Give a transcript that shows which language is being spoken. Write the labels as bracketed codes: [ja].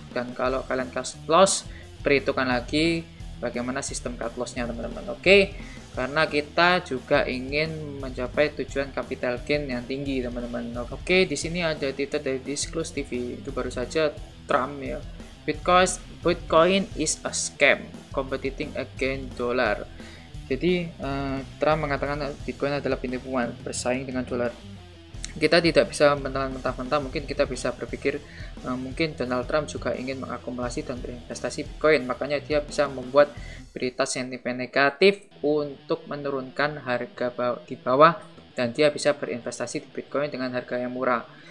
[id] Dan kalau kalian cut loss, perhitungkan lagi bagaimana sistem cut lossnya teman-teman. Oke, karena kita juga ingin mencapai tujuan capital gain yang tinggi teman-teman. Oke, di sini ada titik dari Disclose TV, itu baru saja Trump ya. [en] Bitcoin is a scam competing against dollar. [id] Jadi Trump mengatakan Bitcoin adalah penipuan bersaing dengan dollar. Kita tidak bisa mentah-mentah, mungkin kita bisa berpikir mungkin Donald Trump juga ingin mengakumulasi dan berinvestasi Bitcoin, makanya dia bisa membuat berita sentimen negatif untuk menurunkan harga di bawah, dan dia bisa berinvestasi di Bitcoin dengan harga yang murah.